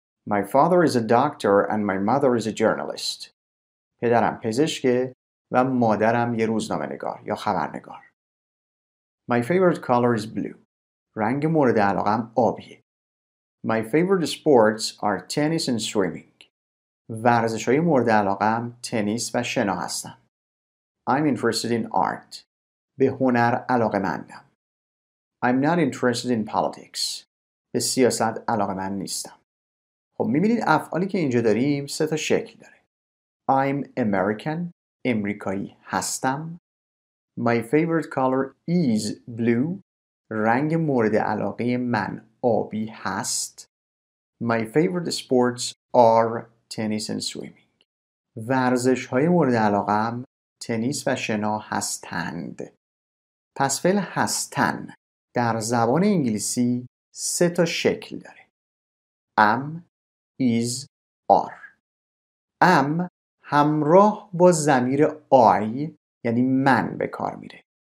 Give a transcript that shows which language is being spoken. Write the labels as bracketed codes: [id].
[en] My father is a doctor and my mother is a journalist. [fa] پدرم پزشکه و مادرم یه روزنامه نگار یا خبرنگار. [en] My favorite color is blue. [fa] رنگ مورد علاقه‌ام آبیه. [en] My favorite sports are tennis and swimming. [fa] ورزش‌های مورد علاقه‌ام تنیس و شنا هستن. [en] I'm interested in art. [fa] به هنر علاقه‌مندم. [en] I'm not interested in politics. [fa] به سیاست علاقه‌مند نیستم. خب می‌بینید افعالی که اینجا داریم سه تا شکل داره. [en] I'm American. [fa] امریکایی هستم. [en] My favorite color is blue. [fa] رنگ مورد علاقه من آبی هست. [en] My favorite sports are tennis and swimming. [fa] ورزش های مورد علاقه هم تنیس و شنا هستند. پس فعل هستن در زبان انگلیسی سه تا شکل داره. [en] Am, is, are. [fa] Am همراه با ضمیر I یعنی من به کار میره.